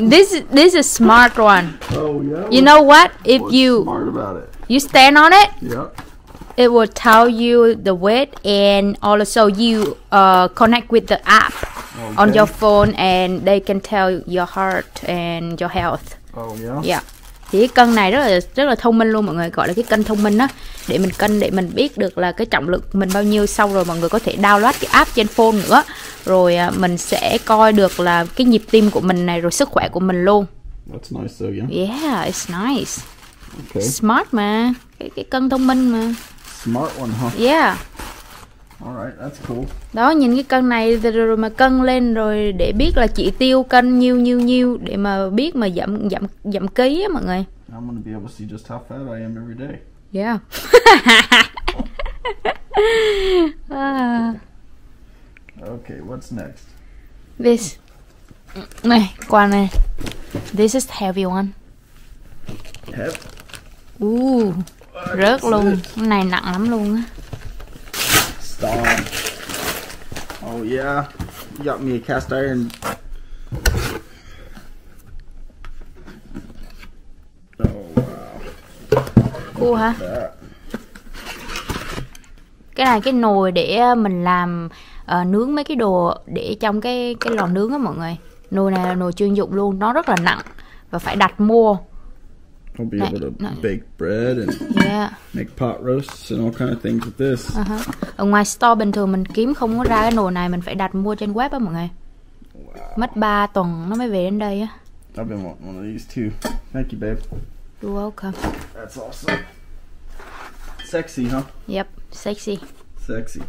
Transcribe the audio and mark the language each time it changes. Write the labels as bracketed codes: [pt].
[en] This is a smart one. Oh yeah. You know what? If what's you smart about it? You stand on it. Yeah. It will tell you the weight and also you connect with the app okay. on your phone and they can tell your heart and your health. Oh yeah. Yeah. [vi] Thì cái cân này rất là thông minh luôn mọi người, gọi là cái cân thông minh á, để mình cân, để mình biết được là cái trọng lượng mình bao nhiêu, xong rồi mọi người có thể download cái app trên phone nữa, rồi mình sẽ coi được là cái nhịp tim của mình này, rồi sức khỏe của mình luôn. [en] That's nice though, yeah. Yeah, it's nice. Okay. [vi] Smart mà, cái cân thông minh mà. [en] Smart one, huh? Yeah. All right, that's cool. [vi] Đó, nhìn cái cân này rồi mà cân lên rồi để biết là chỉ tiêu cân nhiêu để mà biết mà giảm ký á mọi người. [en] I'm gonna be able to see just how fat I am every day. Yeah. Okay, what's next? This. [vi] Này, quà này. [en] This is heavy one. Heavy? [vi] Ooh, rớt luôn. Cái này nặng lắm luôn á. [en] cast on. Oh yeah, you got me a cast iron. Oh wow. Cool hả? [vi] Cái này cái nồi để mình làm nướng mấy cái đồ để trong cái lò nướng á mọi người. Nồi này là nồi chuyên dụng luôn, nó rất là nặng và phải đặt mua. [en] I'll be able to bake bread and make pot roasts and all kind of things with this. [vi] Ở ngoài store bình thường mình kiếm không có ra cái nồi này, mình phải đặt mua trên web á mọi người. Mất 3 tuần nó mới về đến đây á. [en] I've been wanting one of these too. Thank you, babe. You're welcome. That's awesome. Sexy, huh? Yep, sexy. Sexy.